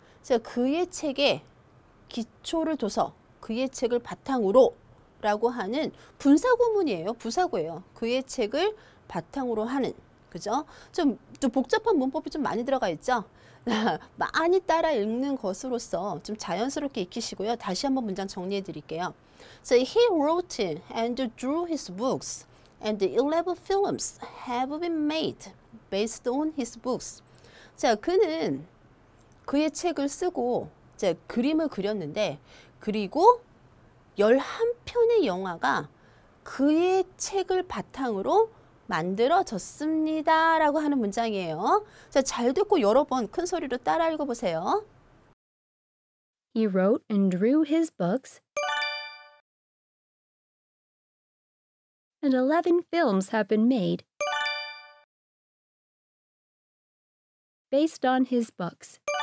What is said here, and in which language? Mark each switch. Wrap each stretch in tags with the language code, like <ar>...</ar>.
<ko>자, 그의 책에 기초를 둬서 그의 책을 바탕으로 라고 하는 분사구문이에요. 부사구예요. 그의 책을 바탕으로 하는. 그죠? 좀 복잡한 문법이 좀 많이 들어가 있죠? 많이 따라 읽는 것으로서 좀 자연스럽게 익히시고요. 다시 한번 문장 정리해 드릴게요.</ko> <en>So he wrote and drew his books and 11 films have been made based on his books.</en> <ko>자, 그는 그의 책을 쓰고 자, 그림을 그렸는데 그리고 11편의 영화가 그의 책을 바탕으로 만들어졌습니다 라고 하는 문장이에요. 자, 잘 듣고 여러 번 큰 소리로 따라 읽어보세요.</ko> <en>He wrote and drew his books and 11 films have been made based on his books.</en>